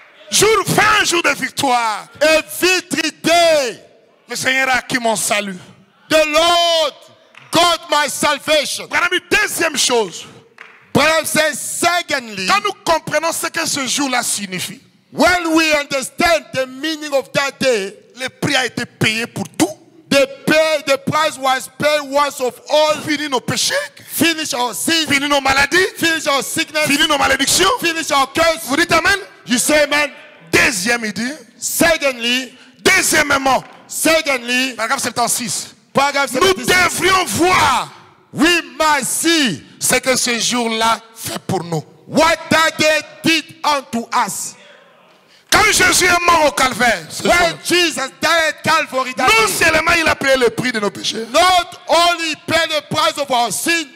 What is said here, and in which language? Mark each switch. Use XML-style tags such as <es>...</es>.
<fr>Jour fin, jour de victoire.</fr> <en>A victory day.</en> <fr>Le Seigneur a acquis mon salut.</fr> <en>The Lord got my salvation. Brother,</en> <fr>deuxième chose.</fr> <en>Brother, say secondly.</en> <fr>Quand nous comprenons ce que ce jour-là signifie.</fr> <en>When we understand the meaning of that day.</en> <fr>Le prix a été payé pour tout.</fr> <en>The price was paid once of all.</en> <fr>Fini nos péchés.</fr> <en>Finish our sins.</en> <fr>Fini nos maladies.</fr> <en>Finish our sickness.</en> <fr>Fini nos malédictions.</fr> <en>Finish our curse.</en> <fr>Vous dites amen?</fr> <en>You say amen.</en> <fr>Deuxième idée.</fr> <en>Secondly.</en> <fr>Deuxièmement.</fr> <en>Secondly.</en> <fr>Paragraphe 76. Paragraphe 76. Nous devrions voir.</fr> <en>We must see.</en> <fr>Ce que ce jour-là fait pour nous.</fr> <en>What that day did unto us.</en> <fr>Quand Jésus est mort au calvaire.</fr> <en>When Jesus died at Calvary.</en> <fr>Non seulement il a payé le prix de nos péchés.</fr> <en>Not only paid the price of our sin.</en>